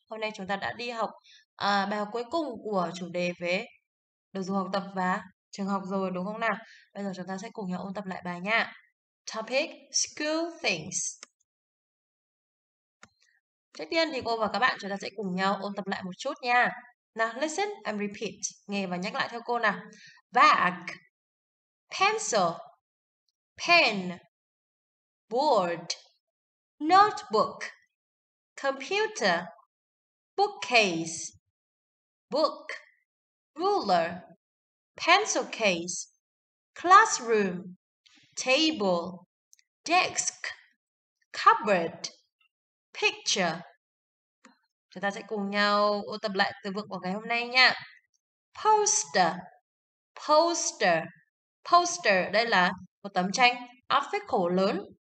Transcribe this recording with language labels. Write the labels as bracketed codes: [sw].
[vi] Hôm nay chúng ta đã đi học bài học cuối cùng của chủ đề về đồ dùng học tập và trường học rồi đúng không nào? Bây giờ chúng ta sẽ cùng nhau ôn tập lại bài nha. [en] Topic School Things. [vi] Trước tiên thì cô và các bạn chúng ta sẽ cùng nhau ôn tập lại một chút nha. [en] Now listen and repeat. [vi] Nghe và nhắc lại theo cô nào. [en] Bag, pencil, pen, board, notebook, computer, bookcase, book, ruler, pencil case, classroom, table, desk, cupboard, picture. [vi] Chúng ta sẽ cùng nhau ôn tập lại từ vựng của ngày hôm nay nha. Poster, poster, poster, đây là một tấm tranh áp phích khổ lớn.